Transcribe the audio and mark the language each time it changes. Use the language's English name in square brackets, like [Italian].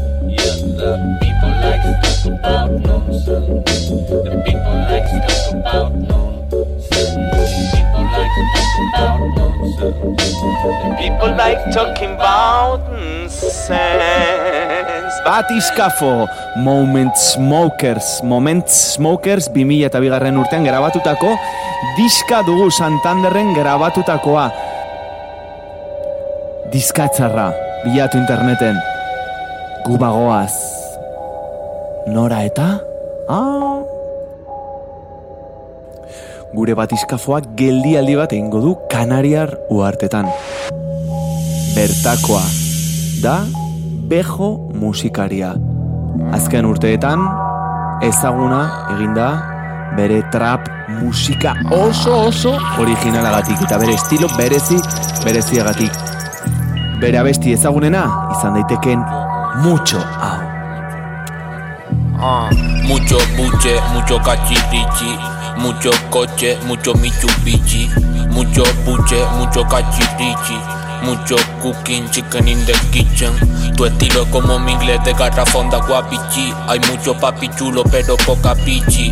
[English] Yeah, the people like to talk about nonsense. The people like to talk about nonsense. People like to talk about nonsense. The people like talking about nonsense. [Basque] Batiscafo. Moment Smokers 2002 urtean grabatutako diska dugu, Santanderren grabatutakoa. Diskatzarra bilatu interneten. Gubagoaz. Nora eta? Ah. Gure batiskafoak geldialdi bat egingo du Kanariar uhartetan. Bertakoa da Bejo musikaria. Azken urteetan ezaguna eginda bere trap musika oso originalagatik eta bere estilo bereziagatik. Bere abesti ezagunena izan daiteken mucho hau. [Spanish] Mucho buche, mucho cachirichi, mucho coche, mucho Mitsubishi. Mucho buche, mucho cachirichi, mucho [English] cooking chicken in the kitchen. [Spanish] Tu estilo es como mi inglés de garrafón de guapichi. Hay mucho papi chulo pero poca pichi.